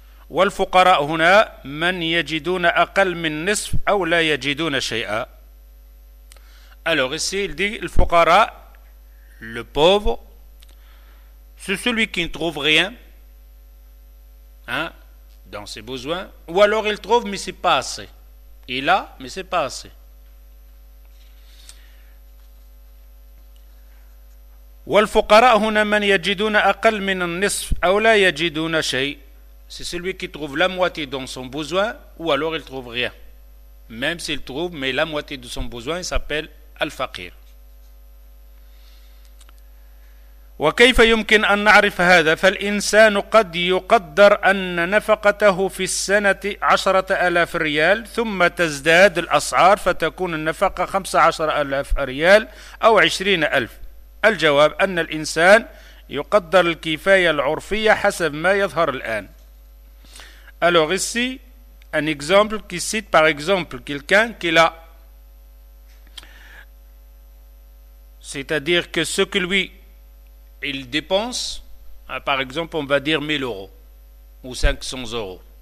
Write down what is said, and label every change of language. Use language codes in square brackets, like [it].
[ar] والفقراء هنا من يجدون أقل من نصف أو لا يجدون شيئا. [fr] Alors ici il dit الفقراء, le pauvre, c'est celui qui ne trouve rien, hein, dans ses besoins, ou alors il trouve mais c'est pas assez, il a mais c'est pas assez. [ar] والفقراء هنا من يجدون أقل من النصف أو لا يجدون شيء. [fr] C'est celui qui trouve la moitié dans son besoin, ou alors il ne trouve rien. Même s'il trouve, mais la moitié de son besoin, il s'appelle Al-Faqir. [ar] وكيف يمكن أن نعرف هذا؟ فالإنسان قد يقدر أن نفقته في السنة 10,000 ريال، ثم تزداد الأسعار فتكون النفقة 15,000 ريال أو 20,000. الجواب أن الإنسان يقدر الكفاية العرفية حسب ما يظهر الآن. [fr] Alors ici, un exemple qui cite par exemple quelqu'un qui l'a. C'est-à-dire que ce que lui il dépense, par exemple, on va dire 1000 euros ou 500 euros.